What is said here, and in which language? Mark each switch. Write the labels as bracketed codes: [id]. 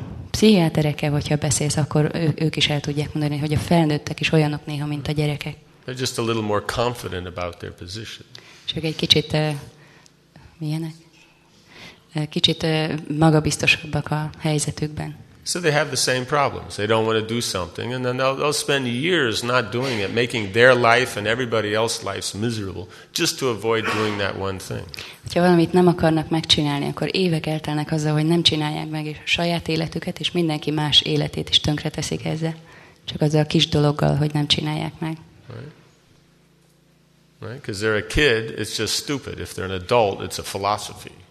[hu] Pszichiáterekkel, hogyha beszélsz, akkor ők is el tudják mondani, hogy a felnőttek is olyanok néha, mint a gyerekek. [en] They're just a little more confident about their position. [hu] Csak egy kicsit milyenek? Kicsit magabiztosabbak a helyzetükben. [en] So they have the same problems. They don't want to do something, and then they'll spend years not doing it, making their life and everybody else's lives miserable, just to avoid doing that one thing. [hu] Ha valamit nem akarnak megcsinálni, akkor évek eltelnek azzal, hogy nem csinálják meg, és a saját életüket és mindenki más életét is tönkreteszik ezzel, csak azzal a kis dologgal, hogy nem csinálják meg. [en] Right? Because they're a kid, it's just stupid. If they're an adult, it's a philosophy.